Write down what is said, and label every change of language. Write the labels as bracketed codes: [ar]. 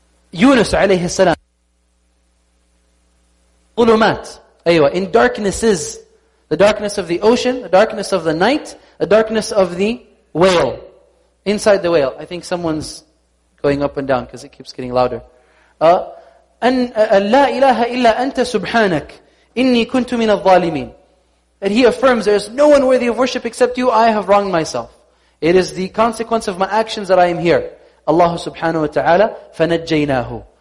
[en] Yunus alayhi salam. Qulumat. Aywa. In darknesses. The darkness of the ocean, the darkness of the night, the darkness of the whale. Inside the whale. I think someone's going up and down because it keeps getting louder. [ar] لا إله إلا أنت سبحانك إني كنت من الظالمين. [en] And he affirms, there is no one worthy of worship except you. I have wronged myself. It is the consequence of my actions that I am here. Allah subhanahu wa ta'ala [ar] فنجيناه.